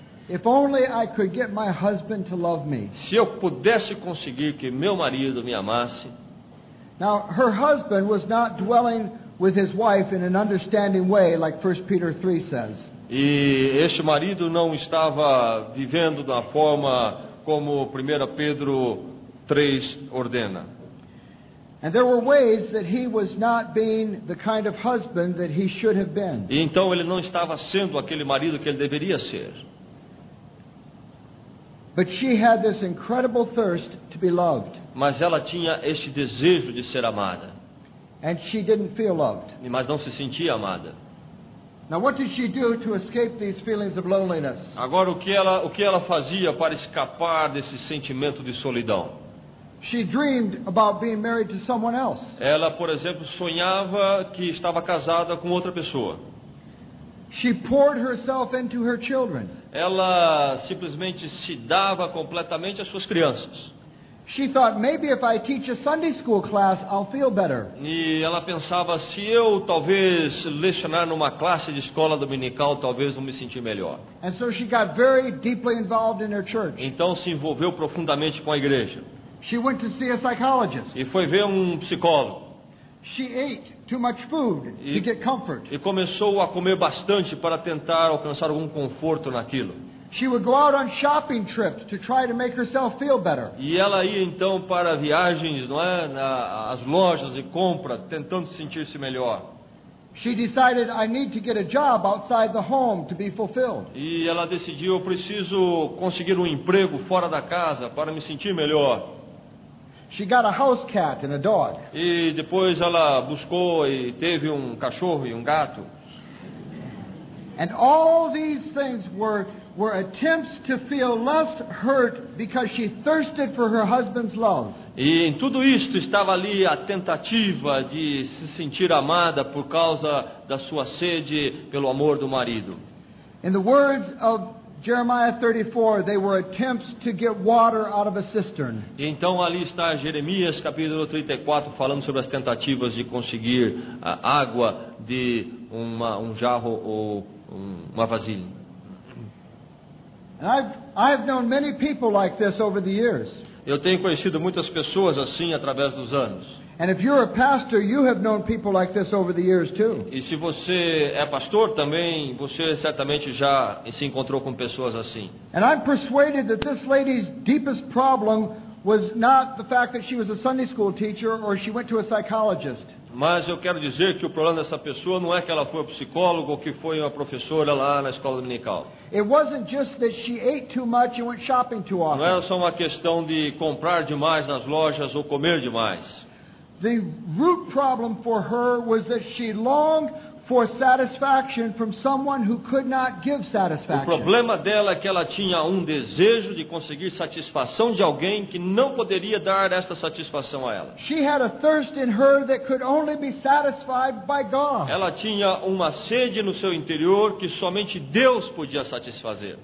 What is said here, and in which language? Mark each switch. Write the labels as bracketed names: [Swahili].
[English] If only I could get my husband to love me. [Portuguese] Se eu pudesse conseguir que meu marido me amasse. [English] Now, her husband was not dwelling with his wife in an understanding way, like 1 Peter 3 says. [Portuguese] E este marido não estava vivendo da forma como 1 Pedro 3 ordena. [English] And there were ways that he was not being the kind of husband that he should have been. [Portuguese] E então ele não estava sendo aquele marido que ele deveria ser. [English] But she had this incredible thirst to be loved. [Portuguese] Mas ela tinha este desejo de ser amada. [English] And she didn't feel loved. [Portuguese] Mas não se sentia amada. [English] Now what did she do to escape these feelings of loneliness? [Portuguese] Agora o que ela fazia para escapar desse sentimento de solidão? [English] She dreamed about being married to someone else. [Portuguese] Ela, por exemplo, sonhava que estava casada com outra pessoa. [English] She poured herself into her children. [Portuguese] Ela simplesmente se dava completamente às suas crianças. [English] She thought maybe if I teach a Sunday school class I'll feel better. [Portuguese] E ela pensava, se eu talvez lecionar numa classe de escola dominical, talvez eu me sentir melhor. [English] And so she got very deeply involved in her church. [Portuguese] Então se envolveu profundamente com a igreja. [English] She went to see a psychologist. [Portuguese] E foi ver um psicólogo. [English] She ate too much food to get comfort. [Portuguese] E começou a comer bastante para tentar alcançar algum conforto naquilo. [English] She would go out on shopping trips to try to make herself feel better. [Portuguese] E ela ia então para viagens, não é, nas lojas de compra, tentando sentir-se melhor. [English] She decided I need to get a job outside the home to be fulfilled. [Portuguese] E ela decidiu, eu preciso conseguir um emprego fora da casa para me sentir melhor. [English] She got a house cat and a dog. [Portuguese] E depois ela buscou e teve um cachorro e um gato. [English] And all these things were attempts to feel less hurt because she thirsted for her husband's love. [Portuguese] E em tudo isto estava ali a tentativa de se sentir amada por causa da sua sede pelo amor do marido. [English] In the words of Jeremiah 34, they were attempts to get water out of a cistern. [Portuguese] Então ali está Jeremias capítulo 34 falando sobre as tentativas de conseguir a água de um jarro ou uma vasilha. [English] And I've known many people like this over the years. [Portuguese] Eu tenho conhecido muitas pessoas assim através dos anos. [English] And if you're a pastor, you have known people like this over the years too. [Portuguese] E se você é pastor também, você certamente já se encontrou com pessoas assim. [English] And I'm persuaded that this lady's deepest problem was not the fact that she was a Sunday school teacher or she went to a psychologist. [Portuguese] Mas eu quero dizer que o problema dessa pessoa não é que ela foi psicólogo ou que foi uma professora lá na escola dominical. [English] It wasn't just that she ate too much and went shopping too often. [Portuguese] Não era só uma questão de comprar demais nas lojas ou comer demais. [English] The root problem for her was that she longed for satisfaction from someone who could not give satisfaction. [Portuguese] O problema dela é que ela tinha um desejo de conseguir satisfação de alguém que não poderia dar esta satisfação a ela. [English] She had a thirst in her that could only be satisfied by God. [Portuguese] Ela tinha uma sede no seu interior que somente Deus podia satisfazer.